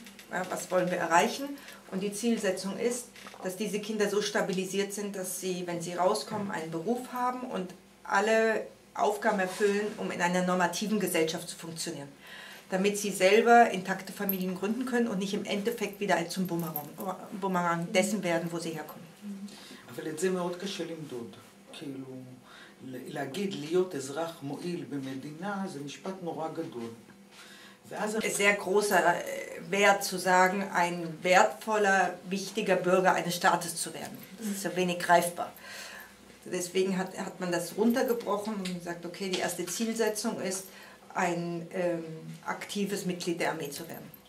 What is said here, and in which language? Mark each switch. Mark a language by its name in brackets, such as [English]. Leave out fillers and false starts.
[German] Ja, was wollen wir erreichen? Und die Zielsetzung ist, dass diese Kinder so stabilisiert sind, dass sie, wenn sie rauskommen, einen Beruf haben und alle Aufgaben erfüllen, um in einer normativen Gesellschaft zu funktionieren. damit sie selber intakte Familien gründen können und nicht im Endeffekt wieder zum Bumerang dessen werden, wo sie herkommen. Aber das ist sehr schwierig, Dod. [Hebrew] להגיד להיות אזרח מועיל במדינה זה משפט נורא גדול. [German] Es ist sehr großer Wert zu sagen, ein wertvoller, wichtiger Bürger eines Staates zu werden. Das ist so wenig greifbar. Deswegen hat man das runtergebrochen und gesagt, okay, die erste Zielsetzung ist, ein aktives Mitglied der Armee zu werden.